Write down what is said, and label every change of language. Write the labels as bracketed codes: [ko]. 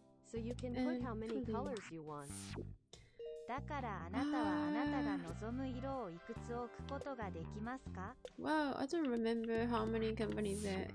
[en] So you can put how many colors you want. [ja] だからあなたはあなたが望む色をいくつ置くことができますか? [en] Wow, I don't remember how many companies there.